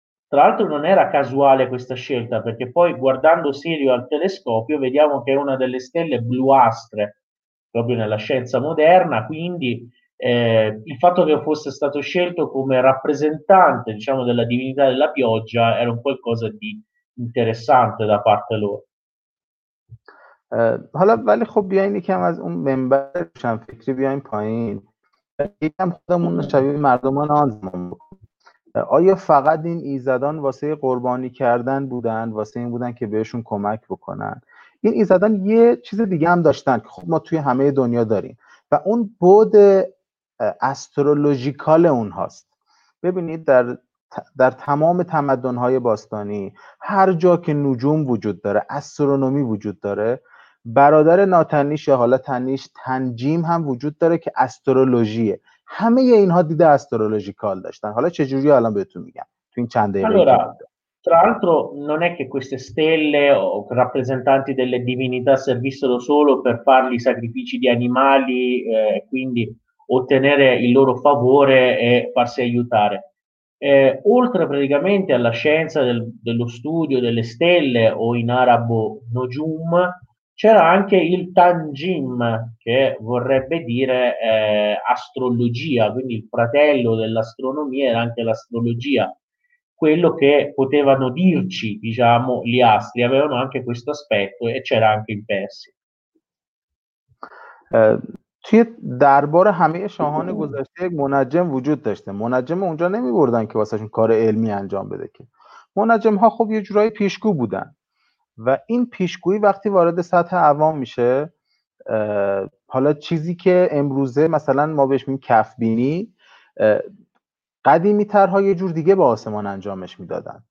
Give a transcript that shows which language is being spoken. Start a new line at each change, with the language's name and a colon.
Italian: tra l'altro non era casuale questa scelta, perché poi guardando Sirio al telescopio vediamo che è una delle stelle bluastre proprio nella scienza moderna, quindi Il fatto che fosse stato scelto come rappresentante, diciamo, della divinità della pioggia era un qualcosa di interessante da parte loro.
Persian: حالا ولی خب بیاین یکم از اون منبر شم فکری بیاین پایین یکم خودمون شبیه مردمان آن زمان بکنیم. آیا فقط این ایزدان واسه قربانی کردن بودن، واسه این بودن که بهشون کمک بکنن؟ این ایزدان یه چیز دیگه هم داشتن که خب ما توی همه دنیا داریم و اون بُعد استرولوژیکال اونهاست. ببینید در تمام تمدن‌های باستانی هر جا که نجوم وجود داره، استرونومی وجود داره، برادر ناتنیش یا حالا تنیش تنجیم هم وجود داره که استرولوژیه. همه اینها دیده استرولوژیکال داشتن. حالا چجوری الان بهتون میگم تو این چند دقیقه.
Italian: Allora, tra l'altro non è che queste stelle o rappresentanti delle divinità servissero solo per fargli sacrifici di animali quindi ottenere il loro favore e farsi aiutare. Oltre praticamente alla scienza dello studio delle stelle, o in arabo Nojum, c'era anche il Tanjim, che vorrebbe dire astrologia, quindi il fratello dell'astronomia era anche l'astrologia, quello che potevano dirci, diciamo, gli astri, avevano anche questo aspetto e c'era anche in Persia.
Persian: توی دربار همه شاهان گذشته یک منجم وجود داشته. منجم اونجا نمی بردن که واسه شون کار علمی انجام بده، که منجم ها خب یه جورای پیشگو بودن و این پیشگویی وقتی وارد سطح عوام میشه، حالا چیزی که امروزه مثلا ما بهش میگیم کفبینی، قدیمی ترها یه جور دیگه با آسمان انجامش میدادن.